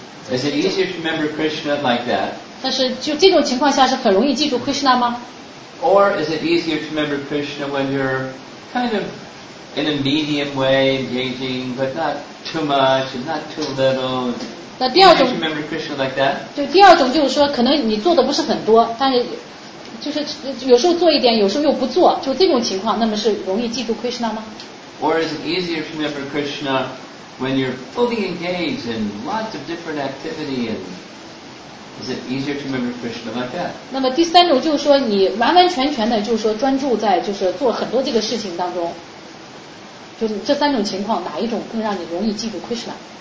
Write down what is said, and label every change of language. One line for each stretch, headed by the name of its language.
English: Is it easier to remember Krishna like that?
Chinese: 但是就这种情况下是很容易记住 Krishna 吗？
English: Or is it easier to remember Krishna when you're kind of in a medium way, engaging, but not too much and not too little?
Chinese: 那第二种、 like、就第二种就是说可能你做的不是很多，但是就是有时候做一点，有时候又不做，就这种情况，那么是容易记住 Krishna 吗？
English: Or is it easier to remember Krishna when you're fully engaged in lots of different activity and is it easier to remember Krishna like that?
Chinese: 那么第三种就是说你完完全全的就是说专注在就是做很多这个事情当中，就是这三种情况哪一种更让你容易记住 Krishna？